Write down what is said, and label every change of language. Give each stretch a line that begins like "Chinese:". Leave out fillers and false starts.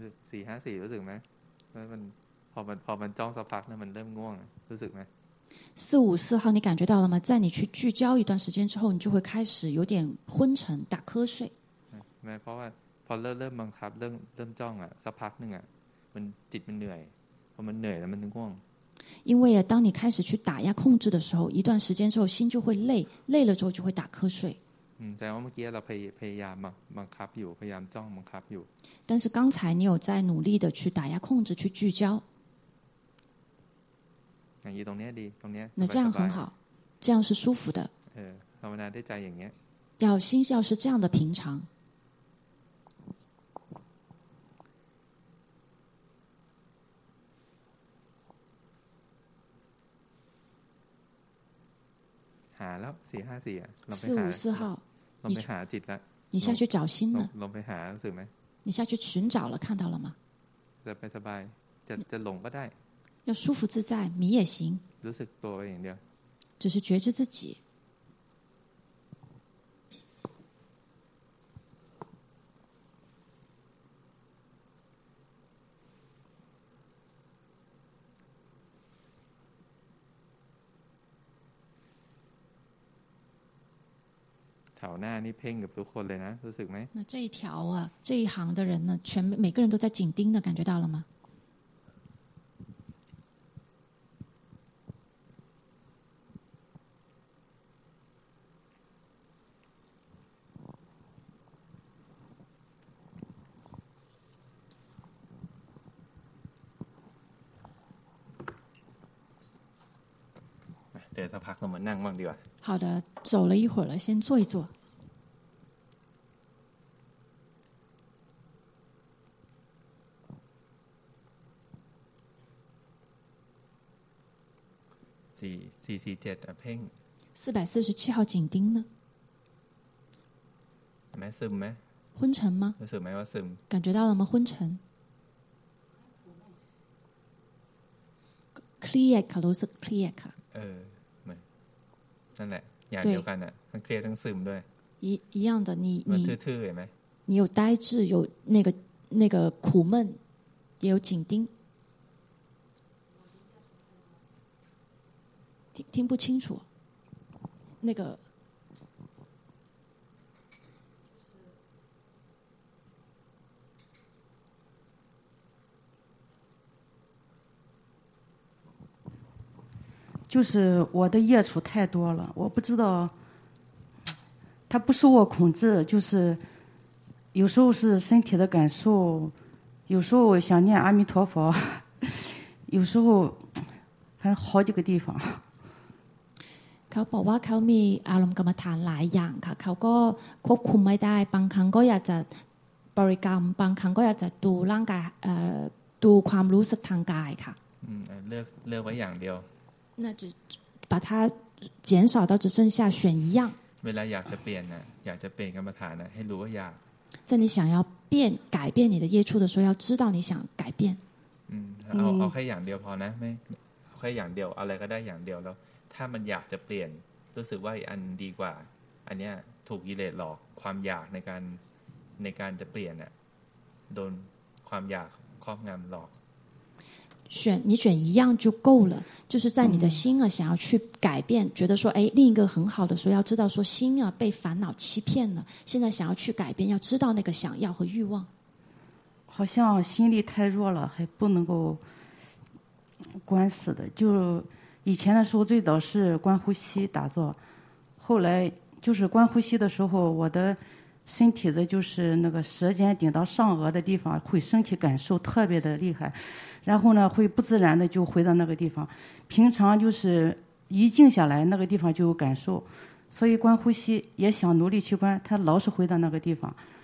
Thai: 454รู้สึกไหมแล้วมันพอมันจ้องสักพักนั้นมันเริ่มง่วงรู้สึกไหม
Chinese: 454号你感觉到了吗？在你去聚焦一段时间之后，你就会开始有点昏沉、打瞌睡。
Thai: ไม่เพราะว่าพอเริ่มบังคับเริ่มจ้องอ่ะสักพักนึงอ่ะมันจิตมันเหนื่อยพอมันเหนื่อยแล้วมันง่วง
Chinese: 因为啊，当你开始去打压控制的时候，一段时间之后心就会累，累了之后就会打瞌睡。
Thai: แต่ว่าเมื่อกี้เราพยายามบังคับอยู่พยายามจ้องบังคับอยู่
Chinese: 但是刚才你有在努力的去打压控制去聚焦
Thai: อย่างนี้ตรงนี้ดีตรงนี้
Chinese: 那这样很好这样是舒服的
Thai: ภาวนาได้ใจอย่างเงี้ย
Chinese: 要心要是这样的平常。
Thai: หาแล้ว4 5 4อ่ะลง ไปหา4 5 4 ลงไปหาจิตละ
Chinese: 你下去找心了
Thai: ลงไปหารู้สึกมั้ย
Chinese: 你下去寻找了看到了吗
Thai: จะไปสบายจะหลงก็ได้
Chinese: 要舒服自在迷也行
Thai: รู้สึกตัวอย่างเดียว
Chinese: 只是觉知自己
Thai: แถวหน้านี่เพ่งกับทุกคนเลยนะรู้สึกไหม
Chinese: 那这一条啊这一行的人呢全每个人都在紧盯的感觉到了吗
Thai: เดี๋ยวสักพักเรามานั่งบ้างดีกว่า
Chinese: 好的走了一会儿了先坐一坐
Thai: 447เพ่ง
Chinese: 447号紧盯呢
Thai: มั้ยซึมมั้ย
Chinese: 昏沉吗
Thai: รู้สึกมั้ยว่าซึม
Chinese: 感觉到了吗昏沉
Thai: เครียดค่ะรู้สึกเครียดค่ะ เออมั้ยนั่นแหละอย่างเดียวกันน่ะทั้งเครียดทั้งซึมด้วย
Chinese: 一样的你
Thai: ทื่อๆเห็นมั้ย
Chinese: 你有呆滞有那个苦闷也有紧盯听不清楚，那个就是我的业处太多了，我不知道，它不是我控制，就是有时候是身体的感受，有时候想念阿弥陀佛，有时候还好几个地方。
Thai: เขาบอกว่าเขามีอารมณ์กรรมฐานหลายอย่างค่ะเขาก็ควบคุมไม่ได้บางครั้งก็อยากจะบริกรรมบางครั้งก็อยากจะดูร่างกายดูความรู้สึกทางกายค่ะ เลือกไว้อย่างเดียว
Chinese: 那只把它减少到只剩下选一样
Thai: เวลาอยากจะเปลี่ยนนะอยากจะเปลี่ยนกรรมฐานนะให้รู้ว่าอยาก
Chinese: 在你想要变改变你的业处的时候要知道你想改变
Thai: เอาแค่อย่างเดียวพอนะไม่แค่อย่างเดียวอะไรก็ได้อย่างเดียวแล้วถ้ามันอยากจะเปลี่ยนรู้สึกว่าอันดีกว่าอันนี้ถูกกิเลสหลอกความอยากในการจะเปลี่ยนน่ะโดนความอยากครอบงำหลอก
Chinese: 选你选一样就够了就是在你的心啊想要去改变觉得说哎另一个很好的时候要知道说心啊被烦恼欺骗了现在想要去改变要知道那个想要和欲望好像心力太弱了还不能够关死的就以前的时候最早是观呼吸打坐后来就是观呼吸的时候我的身体的就是那个舌尖顶到上颚的地方会升起感受特别的厉害然后呢会不自然的就回到那个地方平常就是一静下来那个地方就有感受所以观呼吸也想努力去观它老是回到那个地方